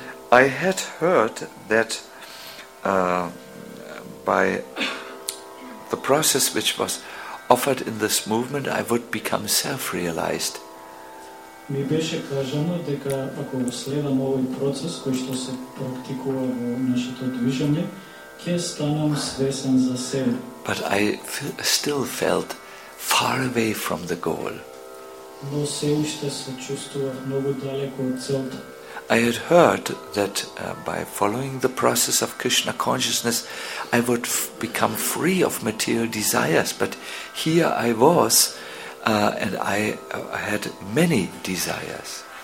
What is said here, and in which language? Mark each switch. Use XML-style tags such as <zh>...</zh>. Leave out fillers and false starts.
<en>I had heard that by the process which was offered in this movement, I would become self-realized.</en> <mk>Ми беше кажано дека ако следам овој процес кој што се практикува во нашето движење, ќе станам свесен за себе.</mk> <en>But I still felt far away from the goal.</en> <mk>Но се уште се чувствував многу далеко од целта.</mk> <en>I had heard that by following the process of Krishna consciousness, I would become free of material desires. But here I was, and I had many desires.</en>